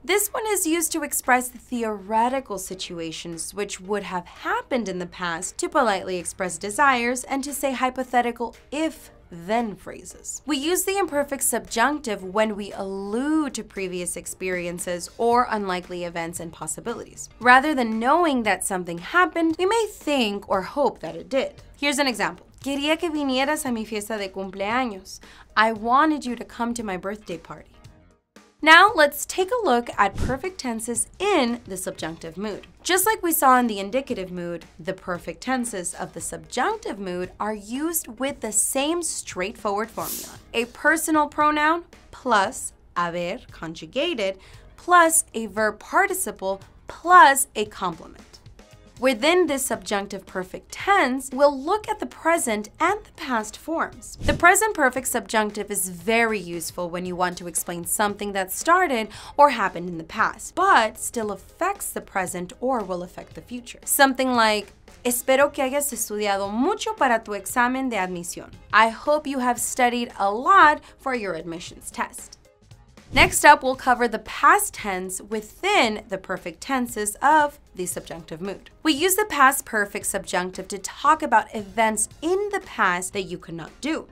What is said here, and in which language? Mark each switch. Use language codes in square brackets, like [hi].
[en] This one is used to express the theoretical situations which would have happened in the past, to politely express desires, and to say hypothetical if-then phrases. We use the imperfect subjunctive when we allude to previous experiences or unlikely events and possibilities. Rather than knowing that something happened, we may think or hope that it did. Here's an example. [es] "Quería que vinieras a mi fiesta de cumpleaños." [en] I wanted you to come to my birthday party. Now, let's take a look at perfect tenses in the subjunctive mood. Just like we saw in the indicative mood, the perfect tenses of the subjunctive mood are used with the same straightforward formula. A personal pronoun plus haber conjugated plus a verb participle plus a complement. Within this subjunctive perfect tense, we'll look at the present and the past forms. The present perfect subjunctive is very useful when you want to explain something that started or happened in the past, but still affects the present or will affect the future. Something like, [es] "Espero que hayas estudiado mucho para tu examen de admisión." [en] I hope you have studied a lot for your admissions test. Next up, we'll cover the past tense within the perfect tenses of the subjunctive mood. We use the past perfect subjunctive to talk about events in the past that you could not do.